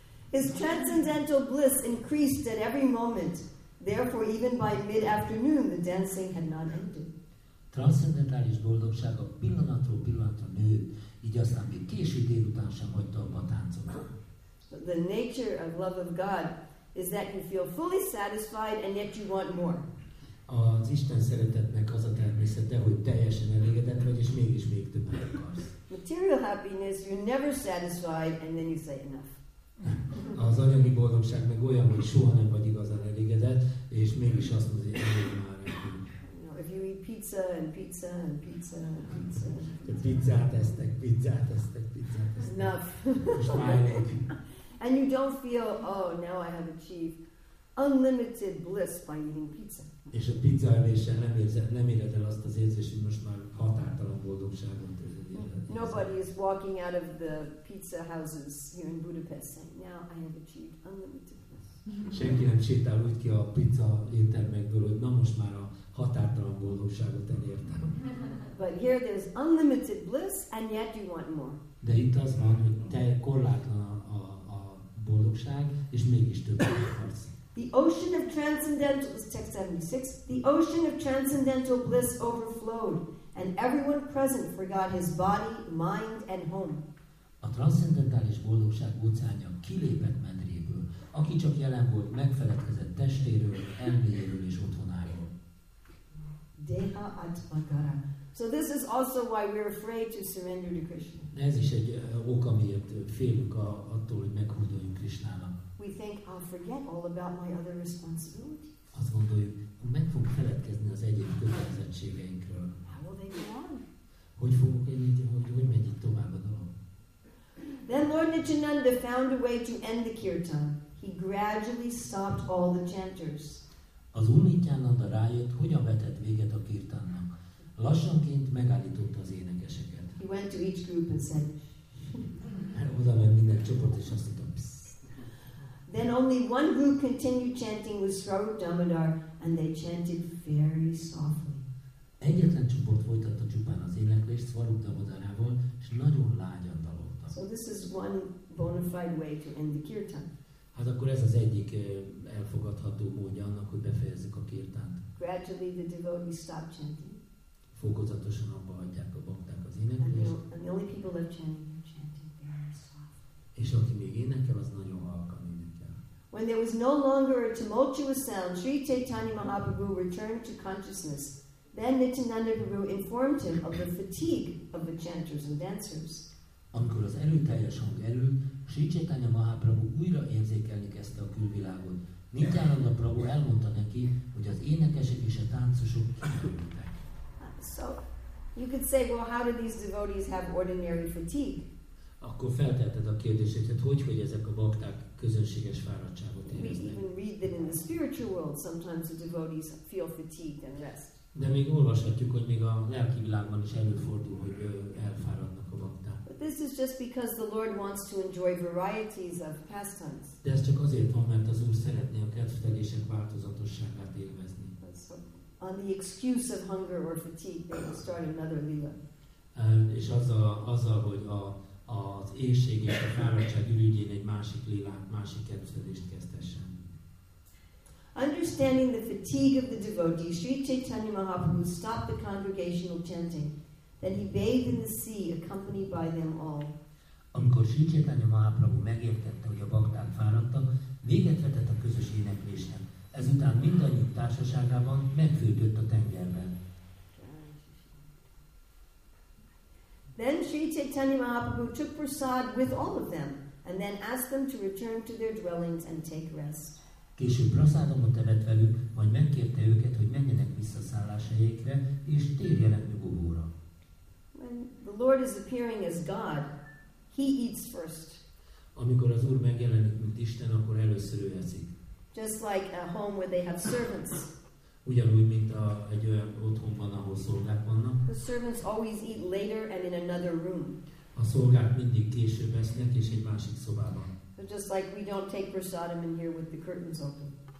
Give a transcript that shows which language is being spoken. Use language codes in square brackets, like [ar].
[en] His transcendental bliss increased at every moment. Therefore, even by mid-afternoon, the dancing had not ended. [hu] Transzendentális boldogsága pillanatról pillanatra nőtt, így aztán még késő délután sem hagyta abba a táncot. [en] The nature of love of God is that you feel fully satisfied and yet you want more. [hu] Az Isten szeretetnek az a természete, hogy teljesen elégedett vagy, és mégis még többet akarsz. [en] Material happiness, you're never satisfied, and then you say enough. [hu] Az anyagi boldogság meg olyan, hogy soha nem vagy igazán elégedett, és mégis azt mondja, hogy elég már. [en] If you eat pizza and pizza and pizza and pizza. [hu] Pizzát esztek. [en] Enough. [hu] Most már elég. [en] And you don't feel, oh, now I have achieved unlimited bliss by eating pizza. [hu] És a pizza eléssel nem éred el azt az érzést, hogy most már határtalan boldogságot érzed. [en] Nobody is walking out of the pizza houses here in Budapest saying, now I have achieved unlimited bliss. [hu] Senki nem sétál úgy ki a pizza éttermekből, hogy na most már a határtalan boldogságot elértem. [en] But here there's unlimited bliss, and yet you want more. [hu] De itt az van, hogy te korlátlan a boldogság, és mégis többet akarsz. [en] The ocean of transcendental, text 76, the ocean of transcendental bliss overflowed, and everyone present forgot his body, mind, and home. [hu] A transzcendentális boldogság óceánja kilépett medréből. Aki csak jelen volt, megfeledkezett testéről, elméjéről és otthonáról. Deha atmagara. [en] So this is also why we're afraid to surrender to Krishna. [hu] Ez is egy ok, amiért félünk attól, hogy meghódoljunk Krishnának. [en] We think I'll forget all about my other responsibilities. [hu] Azt gondoljuk, meg fog feledkezni az egyéb kötelezettségeinkről. [en] How will they go on? [hu] Hogy fogok így, hogy megy itt tovább a dolog? [en] Then Lord Nityananda found a way to end the kirtan. He gradually stopped all the chanters. [hu] Az Úr Nityananda rájött, hogyan vetett véget a kirtannak. Lassanként megállította az énekeseket. [en] He went to each group and said, [hu] oda ment minden csoport, és azt mondta, psz. [en] Then only one group continued chanting with Swarup Damodar, and they chanted very softly. [hu] Egyetlen csoport folytatta csupán az éneklést Swarup Damodarával, és nagyon lágyan dalolta. [en] So this is one bona fide way to end the kirtan. [hu] Hát akkor ez az egyik elfogadható módja annak, hogy befejezzük a kirtánt. [en] Gradually the devotees stop chanting. [hu] Fokozatosan abba hagyják a bakták az éneklést. [en] And the only people left chanting are chanting very softly. [hu] És aki még énekel, az nagyon halkan énekel. [en] When there was no longer a tumultuous sound, Sri Chaitanya Mahaprabhu returned to consciousness. Then Nityananda Prabhu informed him of the fatigue of the chanters and dancers. [hu] Amikor az erőteljes hang elül, Sri Chaitanya Mahaprabhu újra érzékelni kezdte a külvilágot. Nityananda Prabhu elmondta neki, hogy az énekesek és a táncosok kiürültek. [en] So, you could say, well, how do these devotees have ordinary fatigue? [hu] Akkor feltetted a kérdését, hogy ezek a bakták közönséges fáradtságot éreznek. [en] We even read that in the spiritual world, sometimes the devotees feel fatigued and rest. [hu] De még olvashatjuk, hogy még a lelki világban is előfordul, hogy elfáradnak a bakták. [en] But this is just because the Lord wants to enjoy varieties of pastimes. [hu] De ez csak azért van, mert az Úr szeretné a kedvtelések változatosságát élvezni. [en] On the excuse of hunger or fatigue, they will start another lila. [hu] És azzal, hogy az éhség és a fáradtság ürügyén egy másik lilát, másik kedvtelést kezdessen. [en] Understanding the fatigue of the devotees, Sri Chaitanya Mahaprabhu stopped the congregational chanting. Then he bathed in the sea, accompanied by them all. [hu] Amikor Sri Chaitanya Mahaprabhu megértette, hogy a bakták fáradtak, véget vetett a közös éneklésnek. Ezután mindannyiuk társaságában megfürdött a tengerben. [en] Then Sri Chaitanya Mahaprabhu took prasad with all of them, and then asked them to return to their dwellings and take rest. [hu] Később prasádomot evett velük, majd megkérte őket, hogy menjenek vissza szálláshelyekre, és térjenek nyugovóra. [en] When the Lord is appearing as God, he eats first. [hu] Amikor az Úr megjelenik, mint Isten, akkor először ő eszik. [en] Just like a home where they have servants. [hu] Ugyanúgy, mint egy olyan otthonban, ahol szolgák vannak. [en] The servants always eat later and in another room. [hu] A szolgák mindig később esznek, és egy másik szobában. [en] So just like we don't take prasadam in here with the curtains open.